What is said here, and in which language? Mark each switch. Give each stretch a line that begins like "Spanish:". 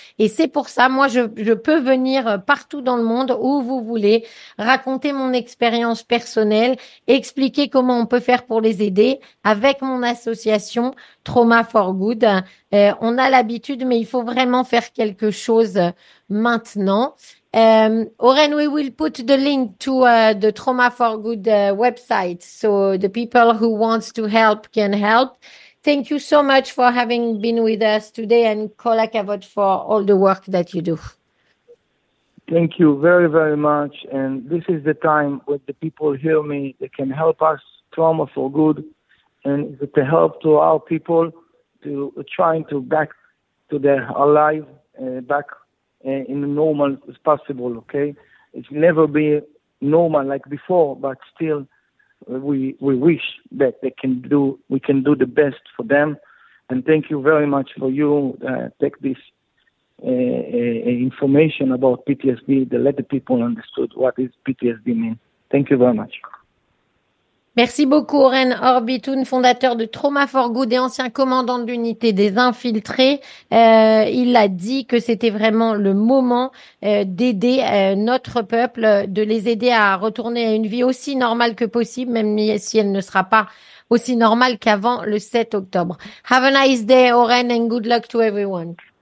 French: Et c'est pour ça, moi, je peux venir partout dans le monde où vous voulez raconter mon expérience personnelle, expliquer comment on peut faire pour les aider avec mon association Trauma for Good. On a l'habitude, mais il faut vraiment faire quelque chose maintenant.
English: Oren, we will put the link to the Trauma for Good website, so the people who wants to help can help. Thank you so much for having been with us today, and Kola Kavod for all the work that you do. Thank you very, very much. And this is the time when the people hear me, they can help us, Trauma for Good, and to help to our people to trying to back to their alive back in the normal as possible, okay? It's never be normal like before, but still we wish that we can do the best for them. And thank you very much for you take this information about PTSD, to let the people understood what is PTSD mean. Thank you very much.
French: Merci beaucoup, Oren Orbitoun, fondateur de Trauma for Good et ancien commandant de l'unité des infiltrés. Il a dit que c'était vraiment le moment d'aider notre peuple, de les aider à retourner à une vie aussi normale que possible, même si elle ne sera pas aussi normale qu'avant le 7 octobre.
English: Have a nice day, Oren, and good luck to everyone.